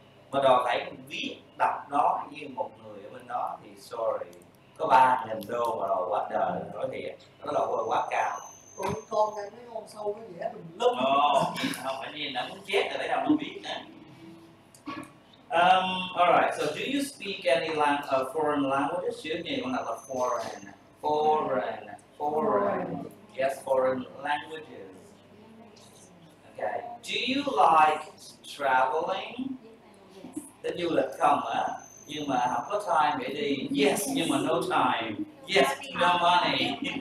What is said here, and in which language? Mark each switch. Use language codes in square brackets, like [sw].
[vi] Mà đòi phải viết đọc nó như một người ở bên đó thì sorry có 3.000 đô mà đòi quá đời nói thiệt, nó đòi quá cao. Ôi con này mấy con sâu nó dễ bình lắm. Ồ, không phải nhìn nó muốn chết rồi, phải nào nó biết nè. [en] Alright, so do you speak any foreign language? [vi] Chứ nhìn con nào là foreign. [en] Yes, foreign languages. Okay, do you like traveling? [vi] Thích du lịch không á? Nhưng mà không có time để đi. [en] Yes, [vi] nhưng mà [en] no time. Yes, no money.